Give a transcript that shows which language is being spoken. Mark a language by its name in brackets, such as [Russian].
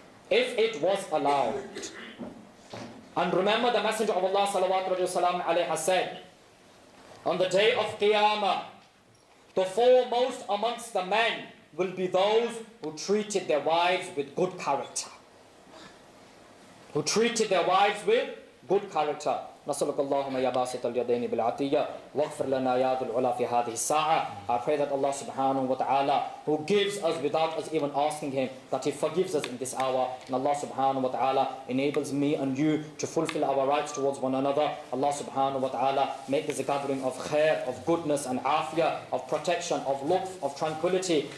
[English] If it was allowed. And remember, the Messenger of Allah salawat rajul salam alayhi has said, on the day of Qiyamah, the foremost amongst the men will be those who treated their wives with good character. Who treated their wives with good character. [Arabic] نسألك اللهم يا باسط اليدين بالعطية واغفر لنا يا ذو العلا في هذه الساعة. [English] I pray that Allah subhanahu wa ta'ala, who gives us without us even asking him, that he forgives us in this hour. And Allah subhanahu wa ta'ala enables me and you to fulfill our rights towards one another. Allah subhanahu wa ta'ala make this a gathering of khair, of goodness and afia, of protection, of lutf, of tranquility.